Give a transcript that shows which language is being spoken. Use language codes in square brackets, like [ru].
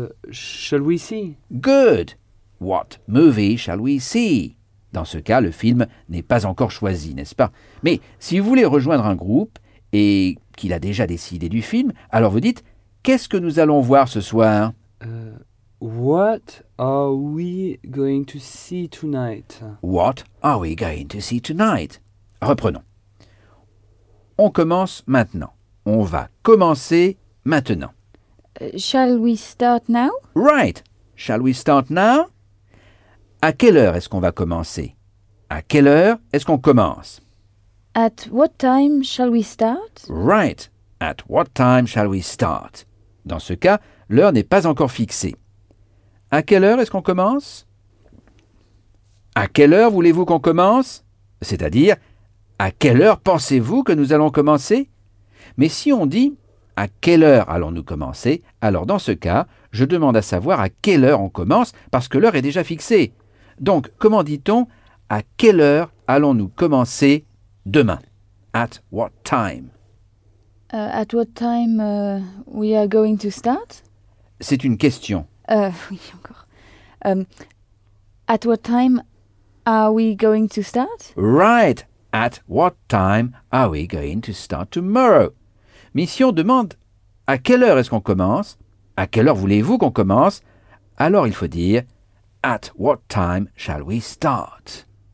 [en] Shall we see? Good! What movie shall we see? [fr] Dans ce cas, le film n'est pas encore choisi, n'est-ce pas? Mais si vous voulez rejoindre un groupe et qu'il a déjà décidé du film, alors vous dites, qu'est-ce que nous allons voir ce soir? [en] What are we going to see tonight? What are we going to see tonight? [fr] Reprenons. On commence maintenant. On va commencer maintenant. [en] Shall we start now? Right. Shall we start now? [fr] À quelle heure est-ce qu'on va commencer? À quelle heure est-ce qu'on commence? [en] At what time shall we start? Right. At what time shall we start? [fr] Dans ce cas, l'heure n'est pas encore fixée. À quelle heure est-ce qu'on commence? À quelle heure voulez-vous qu'on commence? C'est-à-dire, à quelle heure pensez-vous que nous allons commencer? Mais si on dit, à quelle heure allons-nous commencer? Alors dans ce cas, je demande à savoir à quelle heure on commence, parce que l'heure est déjà fixée. Donc, comment dit-on, à quelle heure allons-nous commencer demain? [en] At what time? At what time we are going to start? [fr] C'est une question. Oui, encore. [en] At what time are we going to start? Right. At what time are we going to start tomorrow? [fr] Mais si on demande à quelle heure est-ce qu'on commence, à quelle heure voulez-vous qu'on commence, alors il faut dire [en] at what time shall we start?